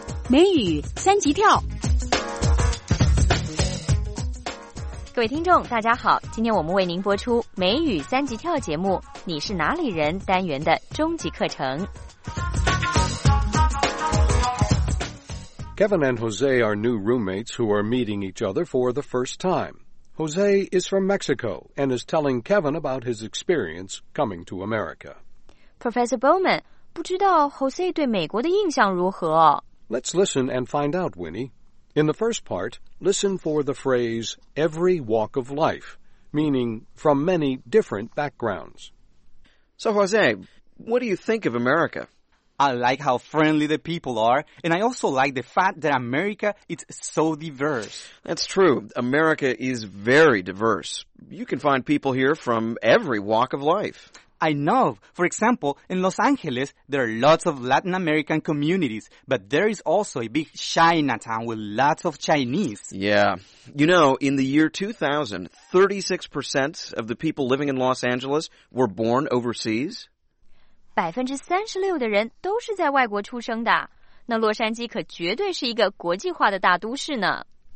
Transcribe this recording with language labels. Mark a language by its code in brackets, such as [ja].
[zh] 美语三级跳。各位听众大家好，今天我们为您播出美语三级跳节目你是哪里人单元的终极课程。 [en] Kevin and Jose are new roommates who are meeting each other for the first time. Jose is from Mexico and is telling Kevin about his experience coming to America. [zh] Professor Bowman, 不知道 Jose 对美国的印象如何？ [en] Let's listen and find out, Winnie. In the first part, listen for the phrase, every walk of life, meaning from many different backgrounds. So, Jose, what do you think of America? I like how friendly the people are, and I also like the fact that America is so diverse. That's true. America is very diverse. You can find people here from every walk of life. I know. For example, in Los Angeles, there are lots of Latin American communities, but there is also a big Chinatown with lots of Chinese. Yeah. You know, in the year 2000, 36% of the people living in Los Angeles were born overseas. [zh] 36% 的人都是在外国出生的。那洛杉矶可绝对是一个国际化的大都市呢。